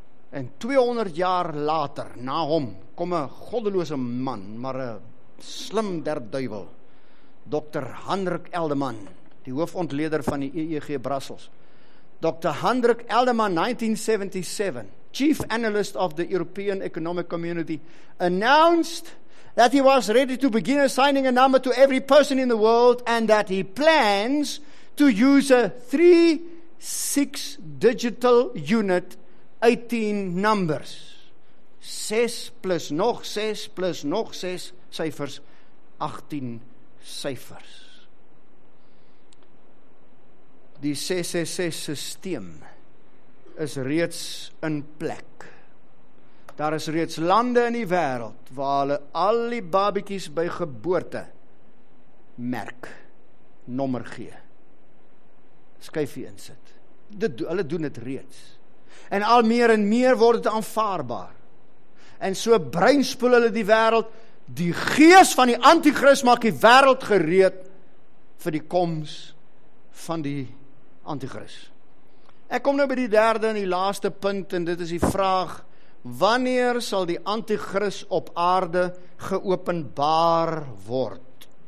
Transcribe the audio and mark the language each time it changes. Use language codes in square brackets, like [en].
[af] En 200 jaar later, na hom, kom 'n goddelose man, maar 'n slim der duivel, Dr. Hendrik Eldeman, die hoofontleder van die EEG Brussels. Dr. [en] Hendrik Eldeman, 1977, chief analyst of the European Economic Community, announced that he was ready to begin assigning a number to every person in the world and that he plans to use a 3-6 digital unit, 18 numbers. [af] 6 plus nog 6 plus nog 6 syfers, 18 syfers. Die 666 systeem is reeds in plek. Daar is reeds lande in die wêreld waar hulle al die babietjies by geboorte merk, nommer gee, skyfie insit. Hulle doen dit reeds. En al meer en meer word dit aanvaarbaar. En so breinspoel hulle die wêreld. Die gees van die antichrist maak die wêreld gereed vir die koms van die antichrist. Ek kom nou by die derde en die laaste punt, en dit is die vraag: wanneer sal die antichrist op aarde geopenbaar word?